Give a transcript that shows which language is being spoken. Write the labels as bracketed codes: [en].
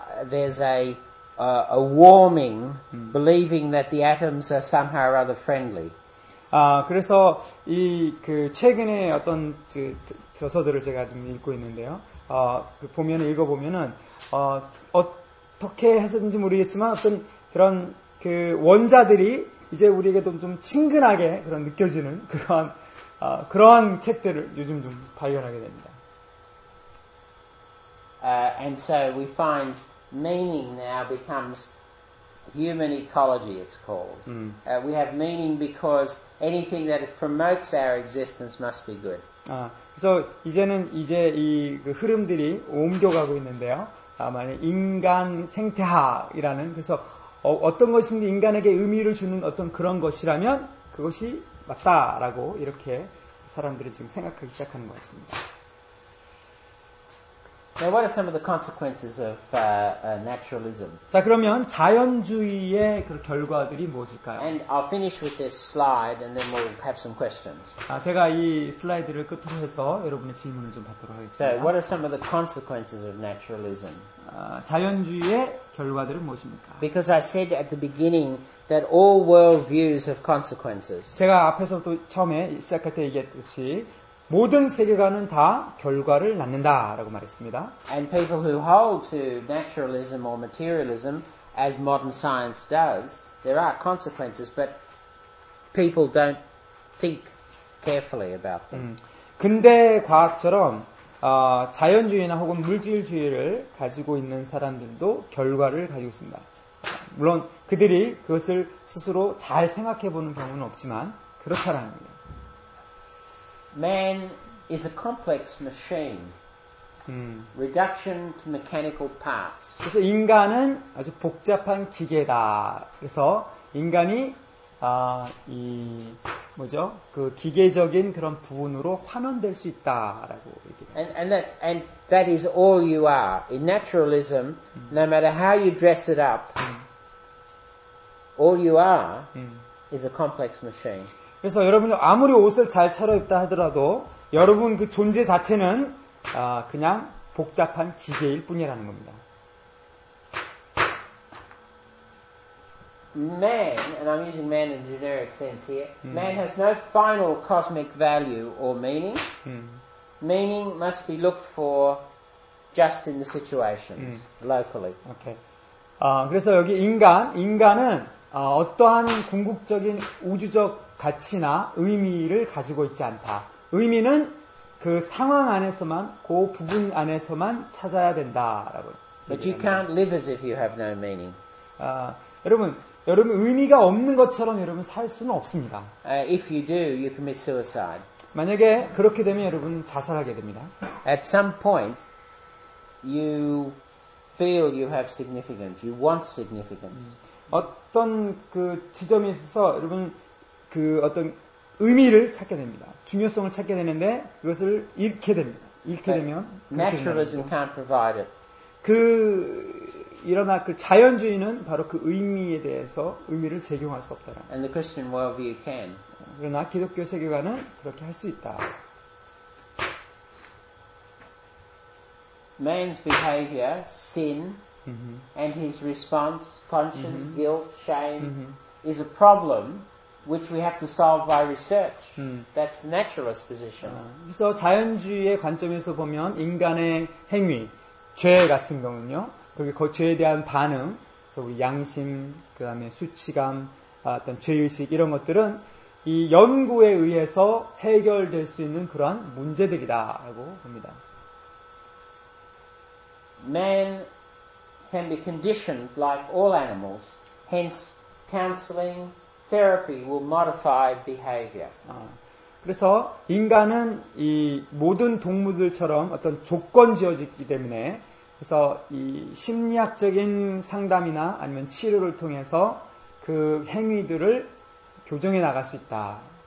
[en] There's a warming believing that the atoms are somehow or other friendly. [ko] 아, 그래서 이 그 최근에 어떤 저서들을 제가 지금 읽고 있는데요. 보면 읽어보면은 어떻게 해서든지 모르겠지만 어떤 그런 그 원자들이 이제 우리에게도 좀 친근하게 그런 느껴지는 그런 그러한 책들을 요즘 좀 발견하게 됩니다. [en] And so we find meaning now becomes human ecology, it's called. We have meaning because anything that promotes our existence must be good. [ko] 그래서 이제는 이제 이 그 흐름들이 옮겨가고 있는데요. 만약 인간 생태학이라는 그래서 어떤 것인지 인간에게 의미를 주는 어떤 그런 것이라면 그것이 맞다라고 이렇게 사람들이 지금 생각하기 시작하는 것 같습니다. [en] Now, what are some of the consequences of naturalism? [ko] 자 그러면 자연주의의 그 결과들이 무엇일까요? [en] And I'll finish with this slide, and then we'll have some questions. [ko] 아 제가 이 슬라이드를 끝으로 해서 여러분의 질문을 좀 받도록 하겠습니다. [en] So, what are some of the consequences of naturalism? [ko] 자연주의의 결과들은 무엇입니까? [en] Because I said at the beginning that all worldviews have consequences. [ko] 제가 앞에서도 처음에 시작할 때 얘기했듯이. 모든 세계관은 다 결과를 낳는다라고 말했습니다. [en] And people who hold to naturalism or materialism as modern science does, there are consequences, but people don't think carefully about them. [ko] 근대 과학처럼 자연주의나 혹은 물질주의를 가지고 있는 사람들도 결과를 가지고 있습니다. 물론 그들이 그것을 스스로 잘 생각해 보는 경우는 없지만 그렇다라는 겁니다. [en] Man is a complex machine. Reduction to mechanical parts. [ko] 그래서 인간은 아주 복잡한 기계다. 그래서 인간이 이 뭐죠? 그 기계적인 그런 부분으로 환원될 수 있다라고 얘기해요. [en] And that is all you are. In naturalism, no matter how you dress it up, all you are is a complex machine. [ko] 그래서 여러분이 아무리 옷을 잘 차려입다 하더라도 여러분 그 존재 자체는 그냥 복잡한 기계일 뿐이라는 겁니다. [en] Man, and I'm using man in a generic sense here, man has no final cosmic value or meaning. Meaning must be looked for just in the situations, locally. Okay. [ko] 그래서 여기 인간은 어떠한 궁극적인 우주적 가치나 의미를 가지고 있지 않다. 의미는 그 상황 안에서만, 그 부분 안에서만 찾아야 된다라고. [en] But you can't live as if you have no meaning. [ko] 여러분 의미가 없는 것처럼 여러분 살 수는 없습니다. [en] If you do, you commit suicide. [ko] 만약에 그렇게 되면 여러분 자살하게 됩니다. [en] At some point, you feel you have significance. You want significance. [ko] 어떤 그 지점에 있어서 여러분 그 어떤 의미를 찾게 됩니다. 중요성을 찾게 되는데 그것을 잃게 됩니다. 잃게 되면 [en] naturalism can't provide it. [ko] 그 일어나 그 자연주의는 바로 그 의미에 대해서 의미를 제공할 수 없더라. [en] And the Christian worldview can. [ko] 그러나 기독교 세계관은 그렇게 할 수 있다. [en] Man's behavior, sin, and his response, conscience, guilt, shame, is a problem. Which we have to solve by research. That's naturalist position. [ko] 그래서 자연주의의 관점에서 보면 인간의 행위, 죄 같은 경우는요, 그게 그 죄에 대한 반응, 그래서 우리 양심, 그 다음에 수치감, 어떤 죄의식 이런 것들은 이 연구에 의해서 해결될 수 있는 그러한 문제들이다라고 봅니다. [en] Man can be conditioned like all animals, hence counseling. Therapy will modify behavior. [ko] 그래서 인간은 이 모든 동물들처럼 어떤 조건 지어지기 때문에 그래서 이 심리학적인 상담이나 아니면 치료를 통해서 그 행위들을 교정해 나갈 수 있다.